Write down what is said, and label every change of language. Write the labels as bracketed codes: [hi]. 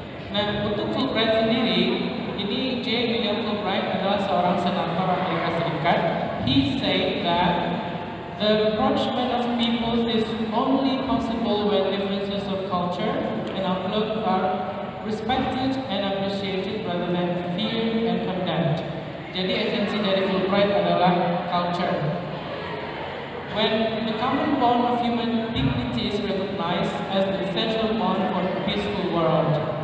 [id] Nah, untuk Fulbright sendiri, ini J. William Fulbright adalah seorang senator Amerika Serikat. [en] He said that the rapprochement of peoples is only possible when differences of culture and outlook are respected and appreciated rather than feared and condemned. [id] Jadi esensi dari Fulbright adalah culture. [en] When the common bond of human dignity is recognized as the essential bond for a peaceful world.